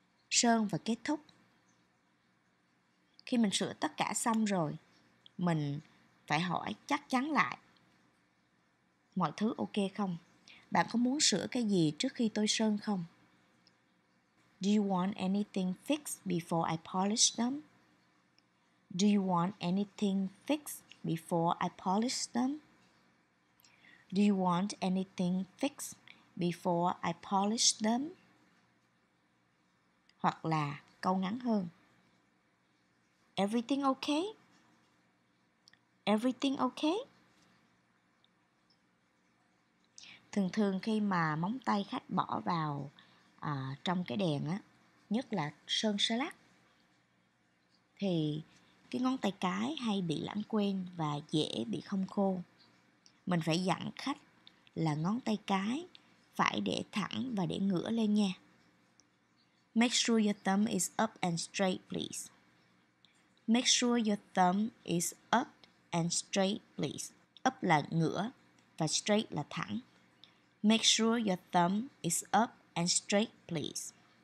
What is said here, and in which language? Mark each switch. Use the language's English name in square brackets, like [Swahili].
[Vietnamese] Sơn và kết thúc. Khi mình sửa tất cả xong rồi, mình phải hỏi chắc chắn lại. Mọi thứ ok không? Bạn có muốn sửa cái gì trước khi tôi sơn không? [English] Do you want anything fixed before I polish them? Do you want anything fixed before I polish them? Do you want anything fixed before I polish them? [Vietnamese] Hoặc là câu ngắn hơn. [English] Everything okay? Everything okay? [Vietnamese] Thường thường khi mà móng tay khách bỏ vào trong cái đèn á, nhất là sơn sơ lát, thì cái ngón tay cái hay bị lãng quên và dễ bị không khô. Mình phải dặn khách là ngón tay cái phải để thẳng và để ngửa lên nha. [English] Make sure your thumb is up and straight, please. Make sure your thumb is up and straight, please. [Vietnamese] Up là ngửa và straight là thẳng. [English] Make sure your thumb is up and straight, please.